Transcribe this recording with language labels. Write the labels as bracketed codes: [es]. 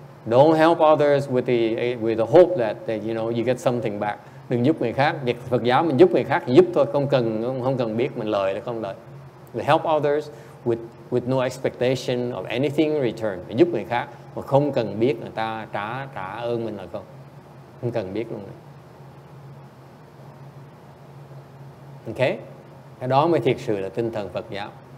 [en] Don't help others with the hope that you know you get something back. [vi] Đừng giúp người khác. Việc Phật giáo mình giúp người khác giúp thôi, không cần biết mình lời hay không lời. [en] We help others with no expectation of anything in return. [vi] Mình giúp người khác mà không cần biết người ta trả ơn mình là không. Không cần biết luôn. Okay? Cái đó mới thiệt sự là tinh thần Phật giáo.